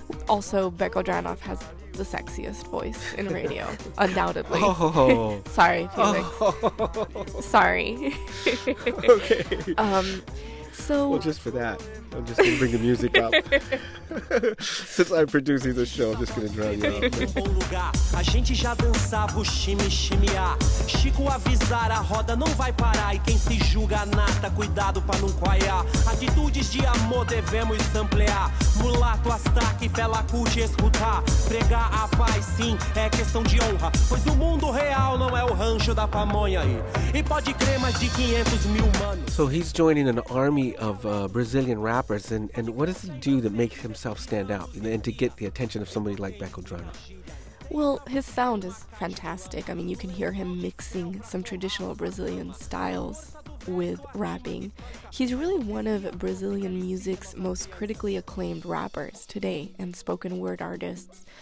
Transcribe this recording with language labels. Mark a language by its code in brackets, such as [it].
[en] Also, Beco Dranoff has the sexiest voice in radio, undoubtedly. Oh. Sorry, Felix. Oh. Sorry. Okay. So, well, just for that, I'm just going to bring the music up. Since I'm producing this show, I'm just going to drown you out. [pt] A gente já dançava o shimmy shimmy a. Chico avisar, a roda não vai parar. E quem se julga nata, cuidado pra não coiar. Atitudes de amor devemos samplear. Mulato, astraque, fela, curte, escutar. Pregar a paz, sim, é questão de honra. Pois o mundo real não é o rancho da pamonha aí. E pode crer mais de 500 mil manos. [en] So he's joining an army of Brazilian rappers. And what does he do that makes himself stand out? And to get the attention of somebody like Beco Dranoff? Well, his sound is fantastic. I mean, you can hear him mixing some traditional Brazilian styles with rapping. He's really one of Brazilian music's most critically acclaimed rappers today and spoken word artists.